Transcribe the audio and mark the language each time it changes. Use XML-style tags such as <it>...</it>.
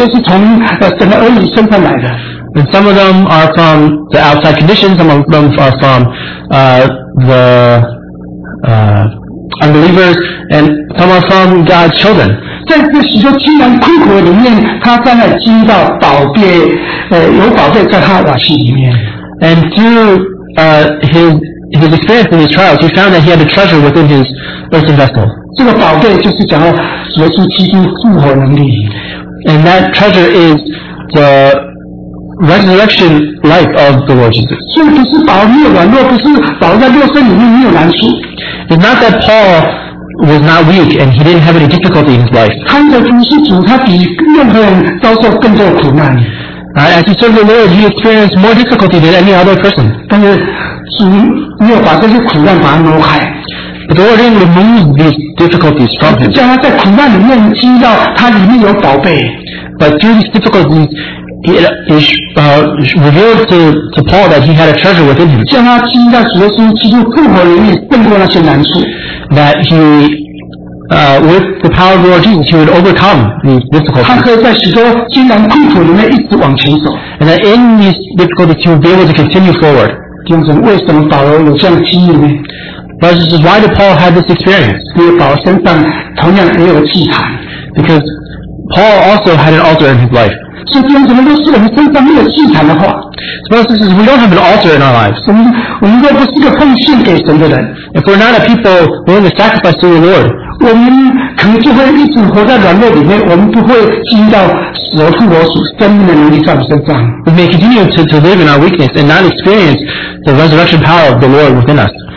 <zh>有时候是从环境来的，有时候是从外邦人来，甚至有些是从神的儿女身份来的。</zh> <en>And some of them are from the outside condition, some of them are from the unbelievers, and some are from God's children.</en> <zh>在这许多艰难困苦里面，他当然知道宝贝，有宝贝在他瓦器里面。</zh> <en>And through his experience in his trials, he found that he had a treasure within his earthen vessel.</en> <zh>这个宝贝就是讲到耶稣基督复活能力。</zh> <en>And that treasure is the resurrection life of the Lord Jesus.</en> <zh>所以不是保罗没有软弱，不是保罗在肉身里面没有难处。</zh> <en>It's not that Paul was not weak and he didn't have any difficulty in his life.</en> <zh>他的主是主，他比任何人遭受更多苦难。</zh> <en>As he served the Lord, he experienced more difficulty than any other person.</en> <zh>但是主没有把这些苦难把他挪开。</zh> <en>But the Lord didn't remove these difficulties from him.</en> <zh>叫他在苦难里面知道他里面有宝贝。</zh> <en>But through these difficulties, revealed to Paul that he had a treasure within him.</en> <zh>像他经历在主耶稣基督复活里面胜过那些难处。</zh> <en>That he, with the power of the Lord Jesus, he would overcome these difficulties.</en> <zh>他可以在许多艰难困苦里面一直往前走。</zh> <en>And that in these difficulties, he would be able to continue forward.</en> <zh>为什么保罗有这样的经历呢？</zh> <en>But this is why did Paul have this experience?</en> <zh>因为保罗身上同样也有祭坛。</zh> <en>Because Paul also had an altar in his life.</en> <zh>所以，弟兄姊妹，若是我们身上没有祭坛的话，所以</zh> <en>we don't have an altar in our lives.</en> <zh>我们若不是个奉献给神的人</zh> <en>，if we're not a people willing to sacrifice to the Lord，</en> <zh>我们可能就会一直活在软弱里面，我们不会经历到死而复活、生命的能力在我们身上。</zh> <en>We may continue to live in our weakness and not experience the resurrection power of the Lord within us.</en>